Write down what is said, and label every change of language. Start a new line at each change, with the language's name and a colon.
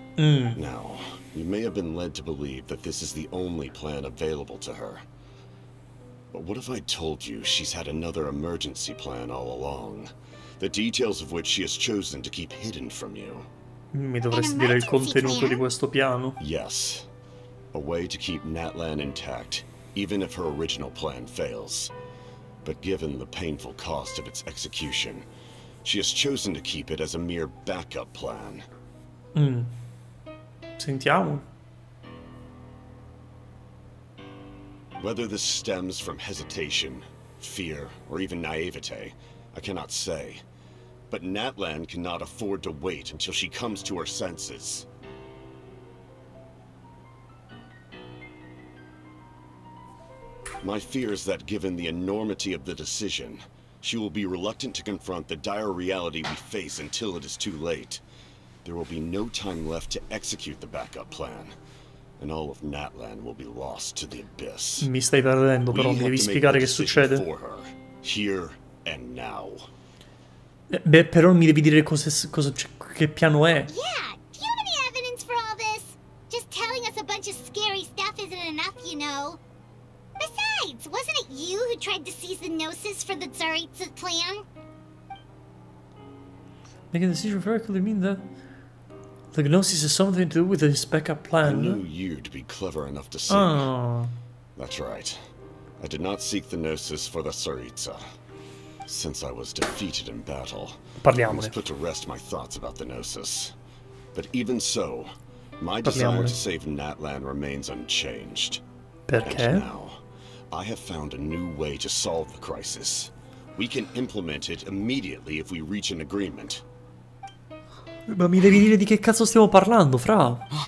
English: Now, you may have been led to believe that this is the only plan available to her. But what if I told you she's had another emergency plan all along, the details of which she has chosen to keep hidden from you?
Italian: Mi dovresti dire il contenuto di questo piano?
English: Yes. A way to keep Natlan intact, even if her original plan fails. But given the painful cost of its execution, She has chosen to keep it as a mere backup plan.
Italian: Sentiamo.
English: Whether this stems from hesitation, fear, or even naivete, I cannot say. But Natlan cannot afford to wait until she comes to her senses. My fear is that given the enormity of the decision, she will be reluctant to confront the dire reality we face until it is too late. There will be no time left to execute the backup plan, and all of Natlan will be lost to the abyss.
Italian: Mi stai perdendo, però mi devi spiegare che succede.
English: For her, here and now.
Italian: Beh, però mi devi dire cosa che piano è.
English: Yeah, do you have any evidence for all this? Just telling us a bunch of scary stuff isn't enough, you know. Besides, wasn't it you who tried to seize the gnosis for the Tsaritsa plan? Make a decision very clearly mean that the gnosis has something to do with this backup plan. I knew you'd be clever enough to see me. That's right. I did not seek the gnosis for the Tsaritsa. Since I was defeated in battle,
Italian: parliamone.
English: I must put to rest my thoughts about the gnosis. But even so, my desire to save Natlan remains unchanged.
Italian: Perché?
English: And now, I have found a new way to solve the crisis. We can implement it immediately if we reach an agreement.
Italian: Ma mi devi dire di che cazzo stiamo parlando, fra?